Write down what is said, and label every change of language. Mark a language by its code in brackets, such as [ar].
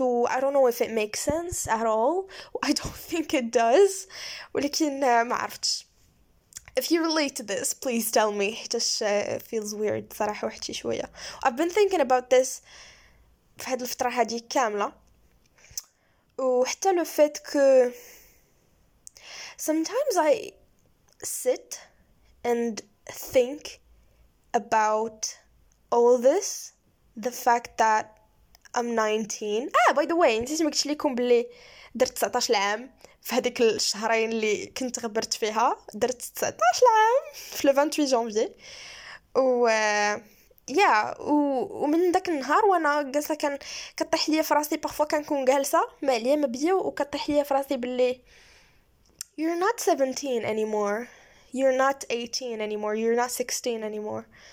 [en] و I don't know if it makes sense at all. I don't think it does. [ar] ولكن ما عرفتش. [en] If you relate to this, please tell me. [ar] حيتاش [en] feels weird [ar] صراحة وحشي شوية. [en] I've been thinking about this [ar] في هاد الفترة هادي كاملة. وحتى لو فيت كو [en] sometimes I sit and think about all this, the fact that I'm 19. Ah, by the way, [ar] نسيت ما قلتش لكم بلي درت 19 عام في هذيك الشهرين اللي كنت غبرت فيها. درت 19 عام في 28 جانفي. ومن ذاك النهار وانا جالسه كطيح ليا في راسي, بارفوا كنكون جالسه ما عليا ما بيا, وكطيح ليا في راسي بلي [en] you're not 17 anymore, you're not 18 anymore, you're not 16 anymore.